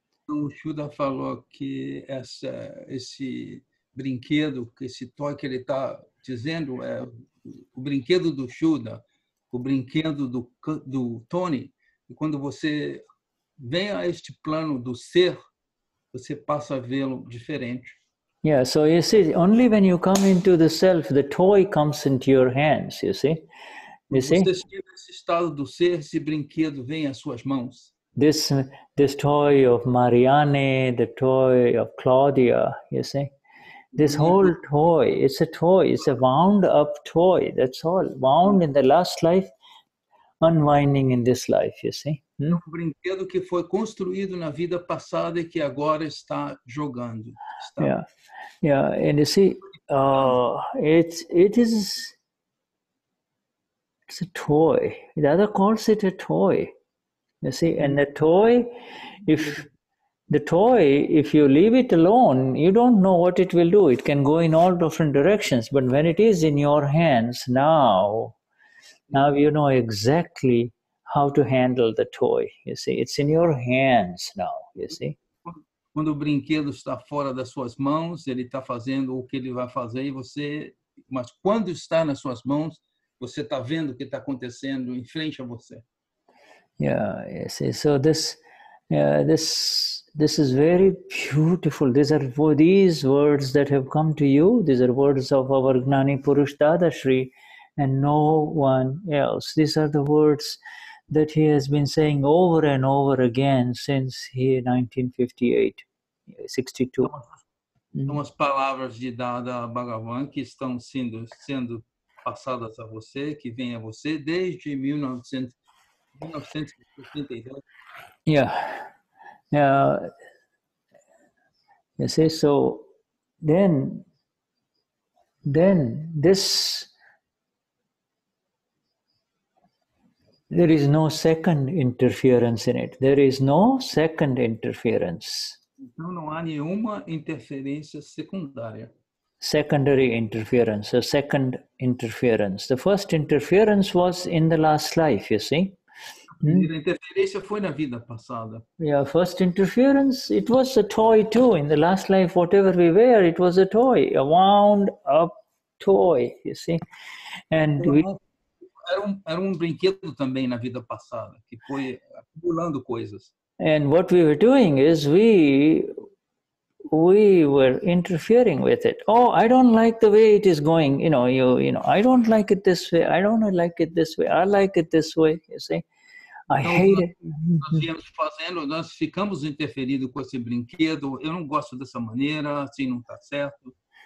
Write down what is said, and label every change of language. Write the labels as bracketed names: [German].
[Portuguese] O Shuddha falou que esse brinquedo, que esse toy que ele está dizendo é o brinquedo do Shuddha. O brinquedo do Tony, e quando você vem a este plano do ser, você passa a vê-lo diferente. [English] Yeah, so you see, only when you come into the self, the toy comes into your hands, you see? [Portuguese] Você chega nesse estado do ser, esse brinquedo vem às suas mãos. [English] This toy of Marianne, the toy of Claudia, you see? This whole toy, it's a toy, it's a wound up toy, that's all. Wound in the last life, unwinding in this life, you see. [Portuguese] Um brinquedo que foi construído na vida passada e que agora está jogando. [English] Yeah, and you see, it's a toy. The other calls it a toy, you see. And the toy, if you leave it alone, you don't know what it will do. It can go in all different directions. But when it is in your hands now you know exactly how to handle the toy. You see, it's in your hands now, you see. [Portuguese] Quando o brinquedo está fora das suas mãos, ele está fazendo o que ele vai fazer. Mas quando está nas suas mãos, você está vendo o que está acontecendo em frente a você. [English] Yeah, you see, so this... Yeah, this is very beautiful. These words that have come to you, these are words of our Gnani Purush Dadashri and no one else. These are the words that he has been saying over and over again since 1962. [Portuguese] Umas palavras de Dada Bhagavan que estão sendo passadas a você, que vem a você desde 1962. [English] Yeah. You see, so then this, there is no second interference in it. There is no second interference. [Portuguese] Então não há nenhuma interferência secundária. [English] Secondary interference, a second interference. The first interference was in the last life, you see. [Portuguese] primeira interferência foi na vida passada. [English] Yeah, first interference, it was a toy too. In the last life, whatever we were, it was a toy. A wound up toy, you see. And we... [Portuguese] Era um brinquedo também na vida passada, que foi acumulando coisas. [English] And what we were doing is we were interfering with it. Oh, I don't like the way it is going. You know, I don't like it this way. I don't like it this way. I like it this way, you see. I hate it. [Portuguese] Nós viemos fazendo, nós ficamos interferidos com esse brinquedo. Eu não gosto dessa maneira, assim não está certo.